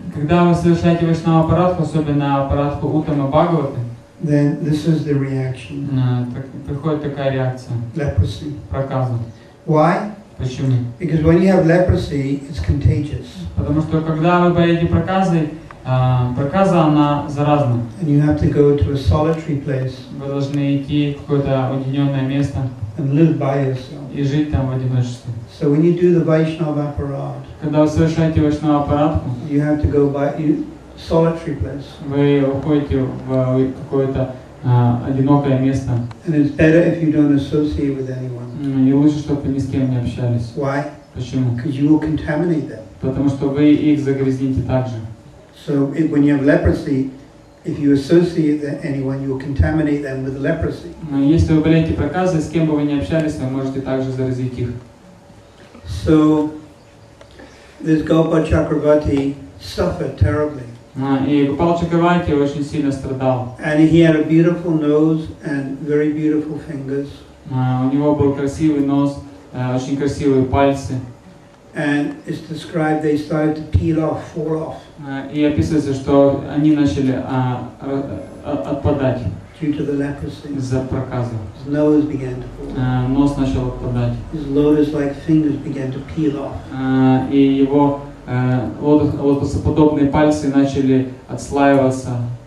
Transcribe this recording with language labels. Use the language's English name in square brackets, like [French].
[Russian] Когда вы совершаете Вайшнава парадху, особенно парадху Уттама Бхагавата, [English] then this is the reaction. [Russian] Приходит такая реакция. [English] Leprosy. [Russian] Проказа. [English] Why? [Russian] Почему? [English] Because when you have leprosy, it's contagious. [Russian] Потому что когда вы болеете проказой, проказа она заразна. [English] And you have to go to a solitary place. [Russian] Вы должны идти в какое-то уединенное место. [English] And live by yourself. [Russian] И жить там в одиночестве. [English] So when you do the Vaishnava aparad, [Russian] когда вы совершаете Вайшнава аппаратку, [English] you have to go by a solitary place. [Russian] Вы уходите в какое-то одинокое место. [English] And it's better if you don't associate with anyone. [Russian] И лучше, чтобы вы ни с кем не общались. [English] Why? [Russian] Почему? [English] Because you will contaminate them. [Russian] Потому что вы их загрязните также. [English] So when you have leprosy, if you associate with anyone, you will contaminate them with leprosy. [Russian] Если вы болеете проказой, с кем бы вы ни общались, вы можете также заразить их. [English] So this Gopal Chakravarti suffered terribly. [Russian] И Гопал Чакравати очень сильно страдал. [English] And he had a beautiful nose and very beautiful fingers. [Russian] У него был красивый нос, очень красивые пальцы. [English] And it's described they started to peel off, fall off. [Russian] И описывается, что они начали отпадать. [English] Due to the leprosy. [Russian] Из-за проказа. [English] His nose began to fall. [Russian] Нос начал отпадать. [English] His lotus-like fingers began to peel off. [Russian] И его лотосоподобные пальцы начали отслаиваться.